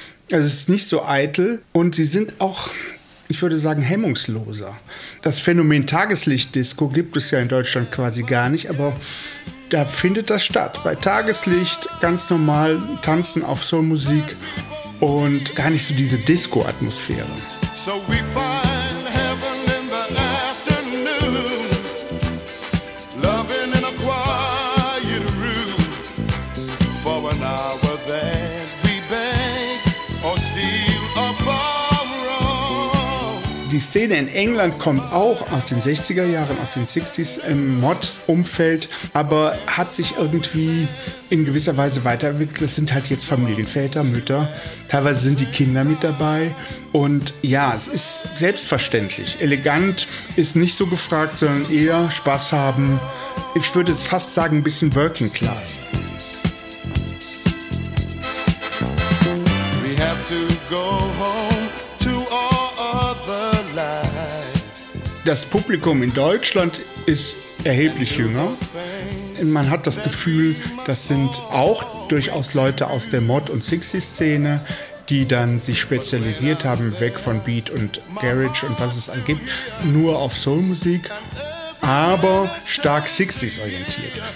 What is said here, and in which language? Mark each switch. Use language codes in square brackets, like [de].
[de] Also es ist nicht so eitel und sie sind auch, ich würde sagen, hemmungsloser. Das Phänomen Tageslicht-Disco gibt es ja in Deutschland quasi gar nicht, aber da findet das statt. Bei Tageslicht ganz normal tanzen auf Soul-Musik und gar nicht so diese Disco-Atmosphäre. [en] So we find heaven in the afternoon, loving in a quiet room, for an hour that we beg or steal a bomb roll. [de] Die Szene in England kommt auch aus den 60er Jahren, aus den 60s im Mod-Umfeld, aber hat sich irgendwie in gewisser Weise weiterentwickelt. Das sind halt jetzt Familienväter, Mütter, teilweise sind die Kinder mit dabei. Und ja, es ist selbstverständlich. Elegant ist nicht so gefragt, sondern eher Spaß haben. Ich würde es fast sagen, ein bisschen Working Class. [en] We have to go home to our other lives. [de] Das Publikum in Deutschland ist erheblich jünger. Man hat das Gefühl, das sind auch durchaus Leute aus der Mod- und 60-Szene, die dann sich spezialisiert haben, weg von Beat und Garage und was es all gibt, nur auf Soul-Musik, aber stark 60s-orientiert.